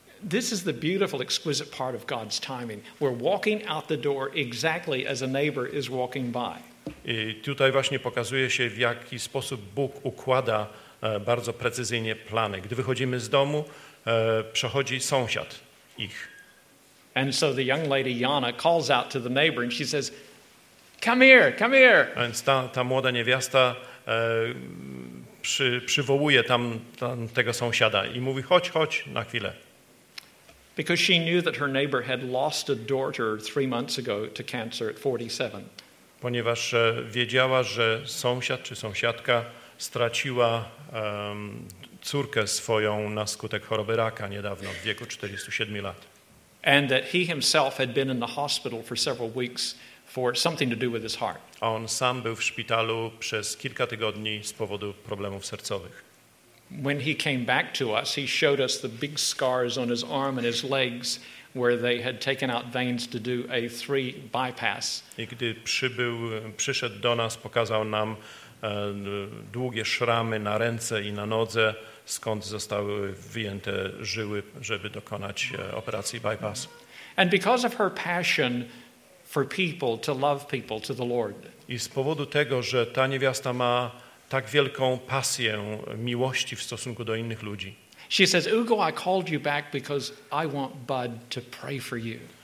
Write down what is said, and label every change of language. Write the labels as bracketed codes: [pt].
[en] This is the beautiful, exquisite part of God's timing. We're walking out the door exactly as a neighbor is walking by. [pl] I tutaj właśnie pokazuje się, w jaki sposób Bóg układa bardzo precyzyjnie plany. Gdy wychodzimy z domu, przechodzi sąsiad ich. [en] And so the young lady Yana calls out to the neighbor and she says, "Come here, come here." [pl] Więc ta młoda niewiasta przywołuje tam tego sąsiada i mówi: chodź na chwilę. [en] Because she knew that her neighbor had lost a daughter 3 months ago to cancer at 47. [pl] Ponieważ wiedziała, że sąsiad czy sąsiadka straciła córkę swoją na skutek choroby raka niedawno w wieku 47 lat. [en] And that he himself had been in the hospital for several weeks for something to do with his heart. [pl] On sam był w szpitalu przez kilka tygodni z powodu problemów sercowych. [en] When he came back to us, he showed us the big scars on his arm and his legs where they had taken out veins to do a 3 bypass. [pl] I gdy przyszedł do nas, pokazał nam długie szramy na ręce i na nodze, skąd zostały wyjęte żyły, żeby dokonać operacji bypass. [en] And because of her passion for people, to love people, to the Lord. [pl] I z powodu tego, że ta niewiasta ma tak wielką pasję miłości w stosunku do innych ludzi. [en] She says, "Ugo, I called you back because I want Bud to pray for you."